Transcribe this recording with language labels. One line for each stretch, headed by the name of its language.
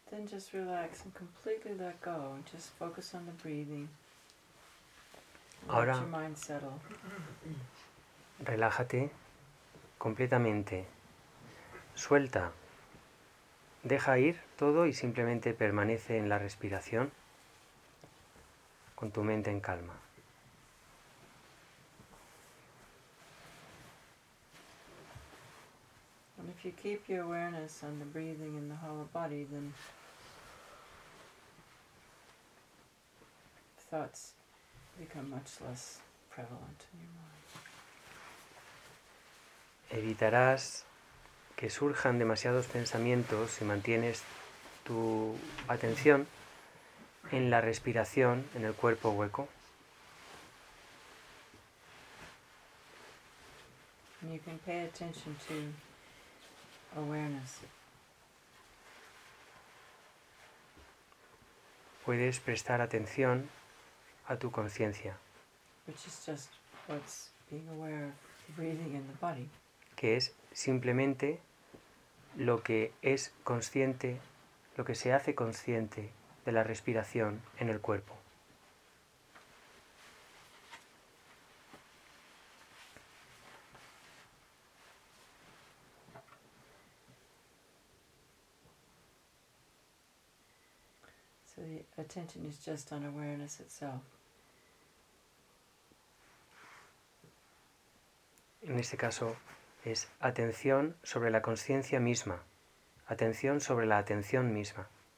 English: Just relax and completely let go. Just focus on the breathing.
Spanish: Ahora,
English: let your mind settle.
Spanish: Relájate completamente. Suelta. Deja ir todo y simplemente permanece en la respiración con tu mente en calma.
English: And if you keep your awareness on the breathing in the whole body, then thoughts become much less prevalent in your mind.
Spanish: Evitarás que surjan demasiados pensamientos si mantienes tu atención en la respiración, en el cuerpo hueco.
English: And you can pay attention to awareness.
Spanish: Puedes prestar atención a tu conciencia,
English: which is just what's being aware of breathing in the body,
Spanish: que es simplemente lo que es consciente, lo que se hace consciente de la respiración en el cuerpo.
English: So the attention is just on awareness itself.
Spanish: En este caso, es atención sobre la conciencia misma, atención sobre la atención misma.